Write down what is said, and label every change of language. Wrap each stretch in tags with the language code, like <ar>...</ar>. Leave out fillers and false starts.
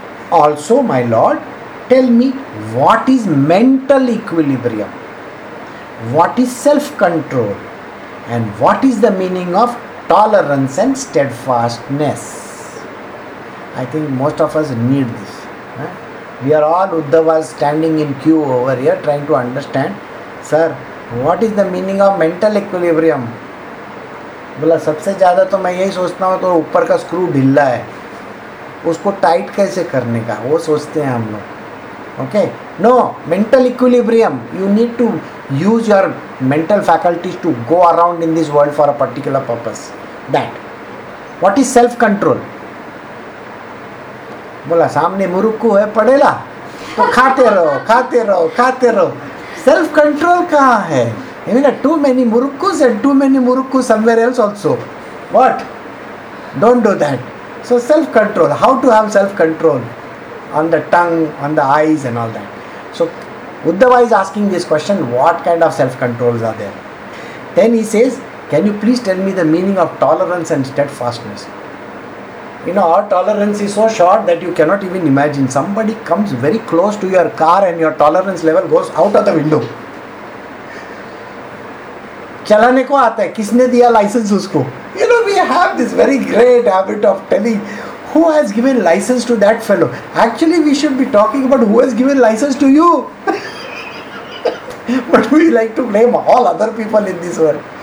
<en>Also, my Lord, tell me what is mental equilibrium, what is self-control, and what is the meaning of tolerance and steadfastness. I think most of us need this. We are all Uddhavas standing in queue over here trying to understand. Sir, what is the meaning of mental equilibrium?</en> <hi>बोला सबसे ज़्यादा तो मैं यही सोचता हूँ तो ऊपर का स्क्रू ढीला है उसको टाइट कैसे करने का वो सोचते हैं हम लोग.</hi> <en>Okay, no, mental equilibrium. You need to use your mental faculties to go around in this world for a particular purpose. That what is self control?</en> <hi>बोला सामने मुरुक्कू है पड़ेला तो खाते रहो खाते रहो खाते रहो. सेल्फ कंट्रोल कहाँ है?</hi> <en>I mean, too many murukkus and too many murukkus somewhere else also. What? Don't do that. So self-control. How to have self-control? On the tongue, on the eyes and all that. So Uddhava is asking this question, what kind of self-controls are there? Then he says, can you please tell me the meaning of tolerance and steadfastness? You know, our tolerance is so short that you cannot even imagine. Somebody comes very close to your car and your tolerance level goes out of the window.</en> <hi>चलाने को आता है किसने दिया licence उसको.</hi> <en>You know we have this very great habit of telling who has given licence to that fellow. Actually we should be talking about who has given licence to you but we like to blame all other people in this world.</en>